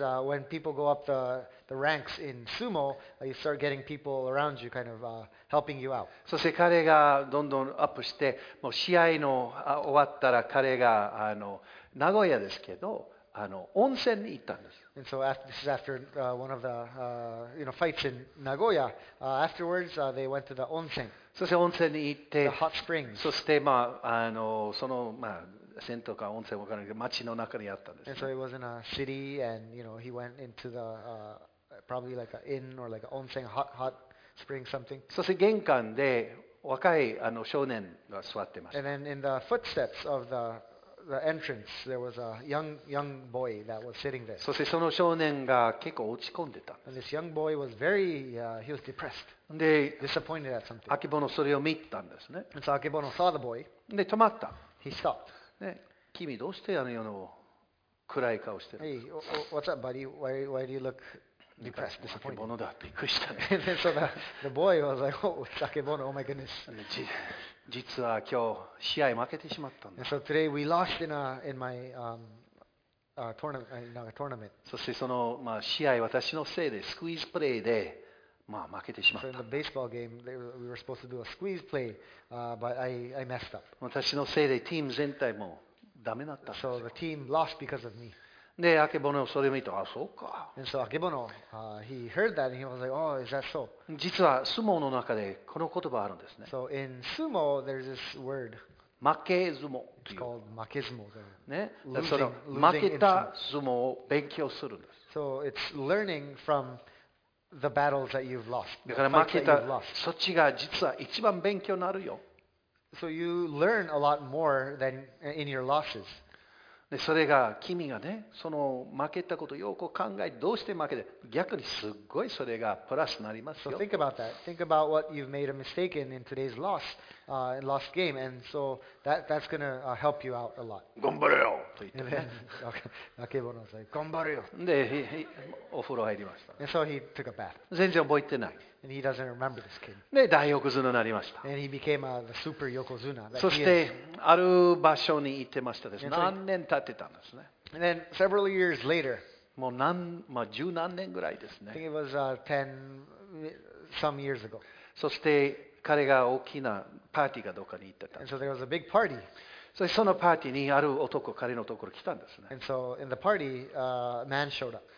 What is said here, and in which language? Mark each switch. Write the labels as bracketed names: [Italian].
[English] when people go up the ranks in sumo, you start getting people around you kind of helping you out. [Japanese] そして彼がどんどんアップして、もう試合の終わったら彼があの名古屋ですけど、あの温泉に行ったんです。 [English] And so after, this is after one of the you know fights in Nagoya. Afterwards, they went to the 温泉。 [Japanese] そして温泉に行って、 [English] the hot springs. [Japanese] そしてまああのそのまあ。銭湯か温泉わからないけど町の中にあったんです、ね。 [English] And so it was in a city, and you know he went into the probably like an inn or like an onsen, hot spring something. [Japanese] そして玄関で若いあの少年が座ってました。 [English] And then in the footsteps of the entrance, there was a young boy that was sitting there. [Japanese] そしてその少年が結構落ち込んでたんです。 [English] And this young boy was very he was depressed. [Japanese] で、 [English] disappointed at something. [Japanese] アケボノそれを見たんですね。 [English] And so Akebono saw the boy. [Japanese] で止まった。 [English] He stopped. [Japanese] ね、君どうしてあの世の暗い顔してるの [English] Hey, what's up, buddy? Why do you look depressed, disappointed? [Japanese] アケボノだ、びっくりしたね。 [English] And then so the boy was like, oh, アケボノ、oh my goodness. [Japanese] 実は今日試合負けてしまったんだ。 [English] And so today we lost in my tournament. [Japanese] そしてその、まあ、試合私のせいで、スクイーズプレーで、まあ、負けてしまった。 [English] So in the baseball game, we were supposed to do a squeeze play, but I messed up. [Japanese] 私のせいでチーム全体もダメだった。 [English] So the team lost because of me. [Japanese] で、アケボノそれを見た。あ、そうか。 [English] And so Akebono, he heard that and he was like, oh, is that so? [Japanese] 実は相撲の中でこの言葉あるんですね。 [English] So in sumo, there's this word. [Japanese] 負け相撲。 [English] It's called 負け相撲。 [Japanese] ね。その負けた相撲を勉強するんです。 [English] So it's learning from the battles that you've lost. [Japanese] だから負けた、そっちが実は一番勉強になるよ。 [English] So you learn a lot more than in your losses. [Japanese] で、それが君がね、その負けたことをよく考え、どうして負けて、逆にすごいそれがプラスになりますよ。 [English] So think about that. Think about what you've made a mistake in today's loss, lost game, and so that's gonna help you out a lot. [Japanese] 頑張れよ。と言って。アケボノさん、頑張れよ。で、お風呂入りました。 [English] And so he took a bath. [Japanese] 全然覚えてない。 [English] And he doesn't remember this kid. [Japanese] で、大横綱になりました。 [English] And he became the super yokozuna. [Japanese] そして、ある場所に行ってましたです。何年経ってたんですね。 [English] And then several years later, [Japanese] もう十何年ぐらいですね。 [English] I think it was ten some years ago. [Japanese] そして、彼が大きなパーティーがどこかに行ってた。 [English] And so there was a big party. [Japanese] そしてそのパーティーにある男彼のところに来たんですね。 [English] And so in the party, man showed up.